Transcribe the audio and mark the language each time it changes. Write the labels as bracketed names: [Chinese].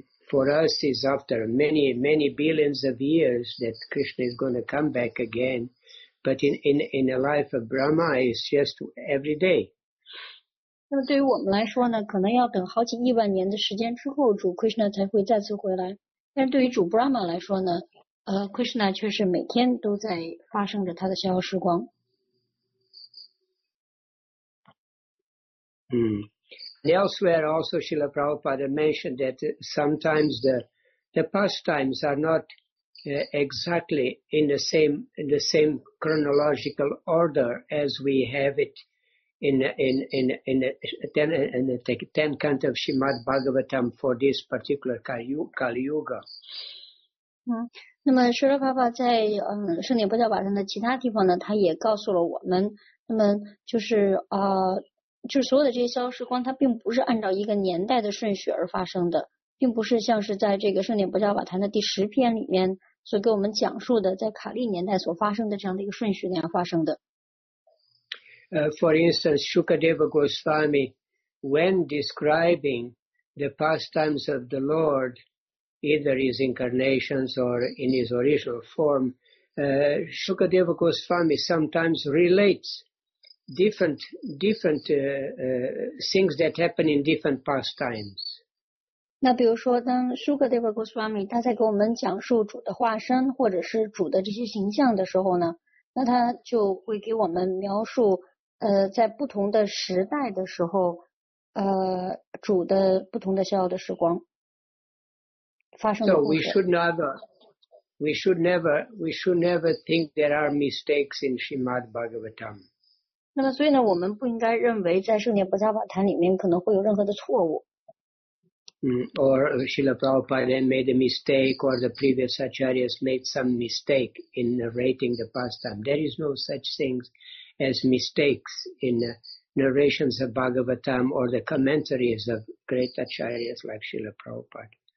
[English] For us, it's after many, many billions of years that Krishna is going to come back again. But in the life of Brahma, it's just every day. [Chinese] 那对于我们来说呢，可能要等好几亿万年的时间之后，主 Krishna 才会再次回来。但对于主 Brahma 来说呢，Krishna 却是每天都在发生着他的逍遥时光。 [English] Elsewhere also Srila Prabhupada mentioned that sometimes the pastimes are not exactly in the same chronological order as we have it in the ten cant of Srimad Bhagavatam for this particular Kali Yuga. [Chinese] 那么舍勒爸爸在圣典波教法上的其他地方呢，他也告诉了我们，那么就是就所有的这些逍遥时光，它并不是按照一个年代的顺序而发生的，并不是像是在这个圣典波迦瓦坛的第十篇里面所给我们讲述的，在卡利年代所发生的这样的一个顺序那样发生的。 [English] For instance, Shukadeva Goswami, when describing the pastimes of the Lord, either his incarnations or in his original form, Shukadeva Goswami sometimes relates. Different things that happen in different pastimes. [Chinese] 那比如说，当 Shukadeva Goswami 他在给我们讲述主的化身或者是主的这些形象的时候呢，那他就会给我们描述在不同的时代的时候主的不同的逍遥的时光发生的故事。 [English] So we should never think there are mistakes in Srimad Bhagavatam. [Chinese] 那么所以呢，我们不应该认为在圣典波迦瓦坛里面可能会有任何的错误。 [English] Or Srila Prabhupada made a mistake, or the previous acharyas made some mistake in narrating the pastime. There is no such things as mistakes in the narrations of Bhagavatam or the commentaries of great acharyas like Srila Prabhupada.